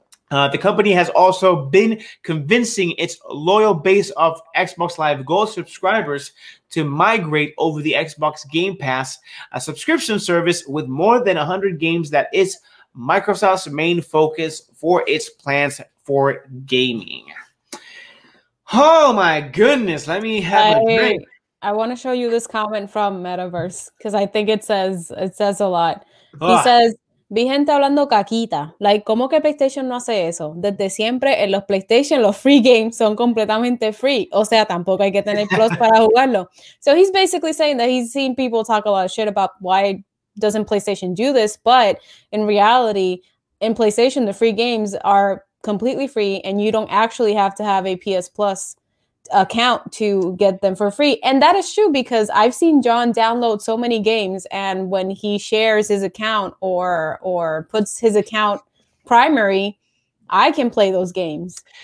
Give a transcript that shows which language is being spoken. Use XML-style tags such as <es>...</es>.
<en>The company has also been convincing its loyal base of Xbox Live Gold subscribers to migrate over the Xbox Game Pass, a subscription service with more than 100 games that is Microsoft's main focus for its plans for gaming. Oh my goodness, let me have a drink. I want to show you this comment from Metaverse because I think it says a lot. He says,</en> <es>vi gente hablando caquita.</es> <en>Like,</en> <es>¿cómo que PlayStation no hace eso? Desde siempre en los PlayStation, los free games son completamente free. O sea, tampoco hay que tener plus para jugarlo.</es> <en>So he's basically saying that he's seen people talk a lot of shit about why doesn't PlayStation do this, but in reality, in PlayStation, the free games are completely free and you don't actually have to have a PS Plus account to get them for free. And that is true because I've seen John download so many games, and when he shares his account or puts his account primary, I can play those games.</en>